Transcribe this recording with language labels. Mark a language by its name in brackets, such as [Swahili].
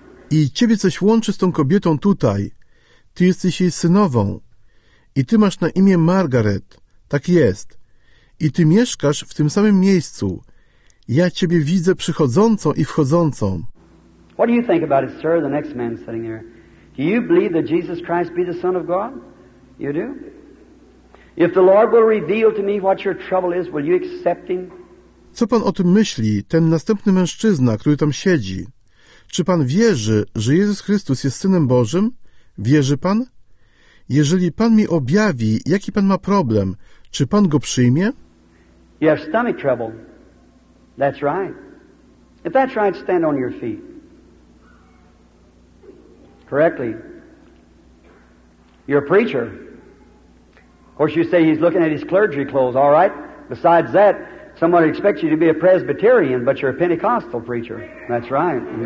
[Polish] I ciebie coś łączy z tą kobietą tutaj. Ty jesteś jej synową. I ty masz na imię Margaret. Tak jest. I ty mieszkasz w tym samym miejscu. Ja ciebie widzę przychodzącą i wchodzącą. [English] What do you think about it, sir? The next man sitting here. Do you believe that Jesus Christ be the Son of God? You do? If the Lord will reveal to me what your trouble is, will you accept him? [Polish] Co pan o tym myśli, ten następny mężczyzna, który tam siedzi? Czy pan wierzy, że Jezus Chrystus jest Synem Bożym? Wierzy pan? Jeżeli pan mi objawi, jaki pan ma problem, czy pan go przyjmie? [English] You have stomach trouble. That's right. If that's right, stand on your feet. Correctly. You're a preacher. Of course, you say he's looking at his clergy clothes, all right? Besides that, somebody expects you to be a Presbyterian, but you're a Pentecostal preacher. That's right.